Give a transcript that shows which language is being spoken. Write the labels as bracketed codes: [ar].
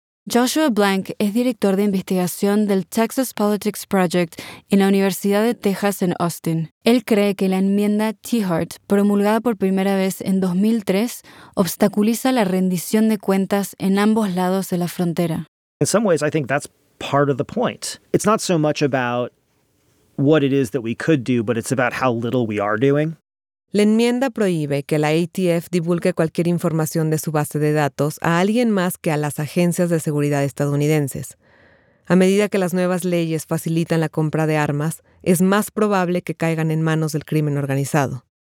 [es] Joshua Blank es director de investigación del Texas Politics Project en la Universidad de Texas en Austin. Él cree que la enmienda T-Hart, promulgada por primera vez en 2003, obstaculiza la rendición de cuentas en ambos lados de la frontera. [en] In some ways, I think that's part of the point. It's not so much about what it is that we could do, but it's about how little we are doing. [es] La enmienda prohíbe que la ATF divulgue cualquier información de su base de datos a alguien más que a las agencias de seguridad estadounidenses. A medida que las nuevas leyes facilitan la compra de armas, es más probable que caigan en manos del crimen organizado.